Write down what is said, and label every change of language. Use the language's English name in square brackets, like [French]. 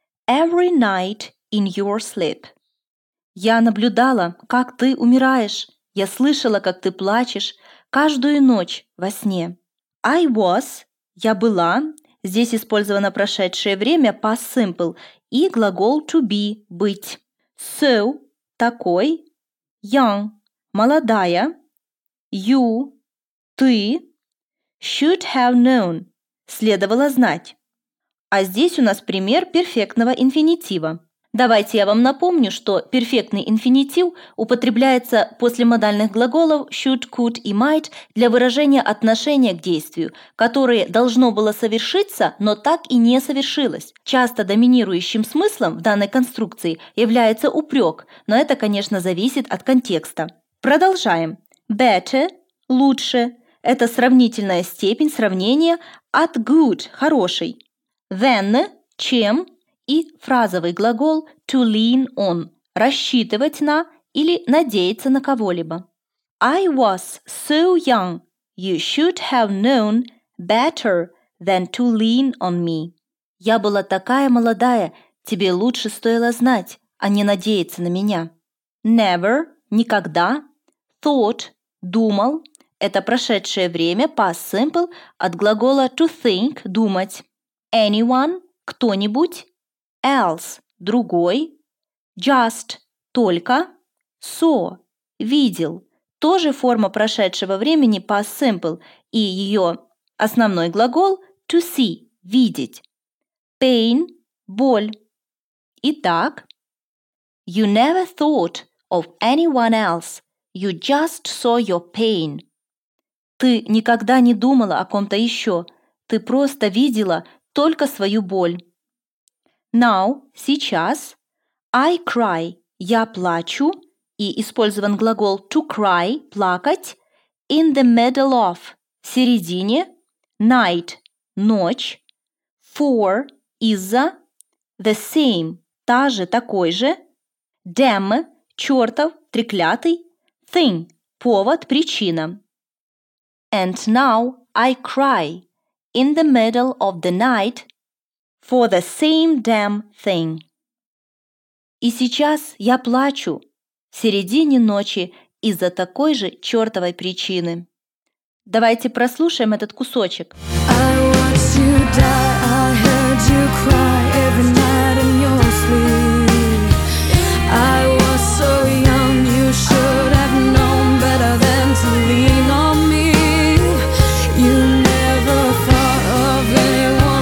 [English] Every night in your sleep. [Russian] Я наблюдала, как ты умираешь. Я слышала, как ты плачешь каждую ночь во сне. [English] I was [Russian] – я была. Здесь использовано прошедшее время [English] past simple [Russian] и глагол [English] to be [Russian] – быть. So – такой. Young – молодая. You – ты. [English] Should have known – [Russian] следовало знать. А здесь у нас пример перфектного инфинитива. Давайте я вам напомню, что перфектный инфинитив употребляется после модальных глаголов should, could и might для выражения отношения к действию, которое должно было совершиться, но так и не совершилось. Часто доминирующим смыслом в данной конструкции является упрек, но это, конечно, зависит от контекста. Продолжаем. Better – лучше. Это сравнительная степень сравнения от good – хороший. Than – чем. И фразовый глагол [English] to lean on [Russian] – рассчитывать на или надеяться на кого-либо. [English] I was so young, you should have known better than to lean on me. [Russian] Я была такая молодая, тебе лучше стоило знать, а не надеяться на меня. Never – никогда. Thought – думал. Это прошедшее время, [English] past simple, [Russian] от глагола [English] to think [Russian] – думать. Anyone – кто-нибудь. Else – другой, just – только, saw – видел – тоже форма прошедшего времени [English] past simple [Russian] и ее основной глагол [English] to see [Russian] – видеть. Pain – боль. [English] Итак, you never thought of anyone else, you just saw your pain. [Russian] Ты никогда не думала о ком-то еще, ты просто видела только свою боль. Now – сейчас. [English] I cry [Russian] – я плачу. И использован глагол [English] to cry [Russian] – плакать. [English] In the middle of – [Russian] в середине. Night – ночь. For – из-за. [English] The same [Russian] – та же, такой же. Damn – чертов, треклятый. Thing – повод, причина. [English] And now I cry – in the middle of the night – for the same damn thing. [Russian] И сейчас я плачу в середине ночи из-за такой же чертовой причины. Давайте прослушаем этот кусочек. [English] I watched you die, I heard you cry every night in your sleep. I was so young, you should have known better than to lean on me. You never thought of anyone.